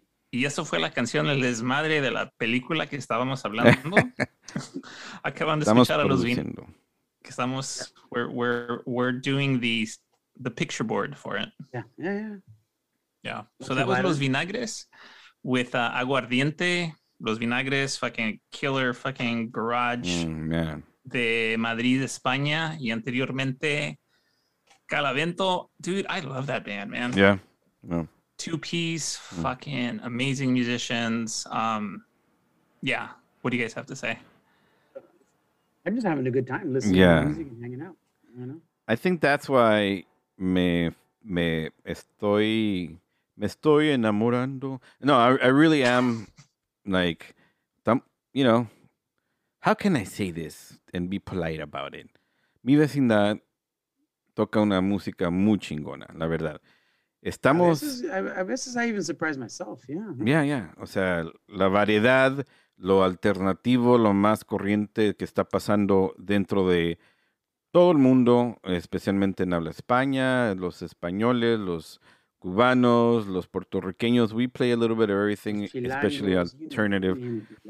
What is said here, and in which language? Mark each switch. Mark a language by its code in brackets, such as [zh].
[es] Y eso fue la canción, el desmadre de la película que estábamos hablando. Acaban de escuchar a los vinos. Que estamos, [en] we're doing the picture board for it. Yeah. So that was Los Vinagres with Aguardiente. Los Vinagres, fucking killer, fucking garage. [es] De Madrid, España. Y anteriormente, Calavento. [en] Dude, I love that band, man. Yeah. No. Two-piece, fucking amazing musicians. Yeah. What do you guys have to say? I'm just having a good time listening to music and hanging out. You know? I think that's why [es] me estoy enamorando. [en] No, I really am like, you know, how can I say this and be polite about it? [es] Mi vecindad toca una música muy chingona, la verdad. Estamos. A veces [en] I even surprise myself, yeah. Yeah. [es] O sea, la variedad, lo alternativo, lo más corriente que está pasando dentro de todo el mundo, especialmente en habla España, los españoles, los cubanos, los puertorriqueños. [en] We play a little bit of everything, especially alternative.